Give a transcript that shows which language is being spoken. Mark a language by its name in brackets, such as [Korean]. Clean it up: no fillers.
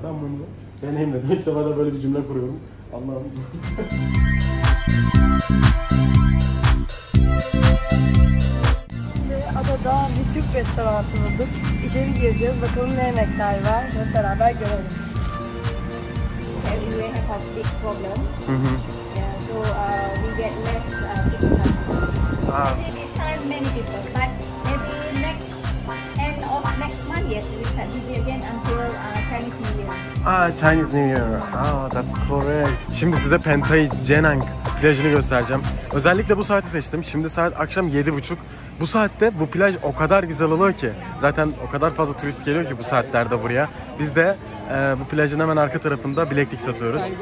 [Turkish] Ben bunu deneyimledim. İlk defa da böyle bir cümle kuruyorum. Allah'ım. Ve adada bir Türk restoranı bulduk. İçeri gireceğiz. Bakalım ne yemekler var. Hep beraber görelim. [English] Everywhere has a big problem. Yeah, so we get less people. This time many people, but maybe next end of next month, yes, we start busy again until Chinese New Year. Ah, Chinese New Year. Ah, that's correct. [Turkish] Şimdi size Pantai Genang plajını göstereceğim. Özellikle bu saati seçtim. Şimdi saat akşam 7.30. Bu saatte bu plaj o kadar güzel oluyor ki. Zaten o kadar fazla turist geliyor ki bu saatlerde buraya. Biz de bu plajın hemen arka tarafında bileklik satıyoruz.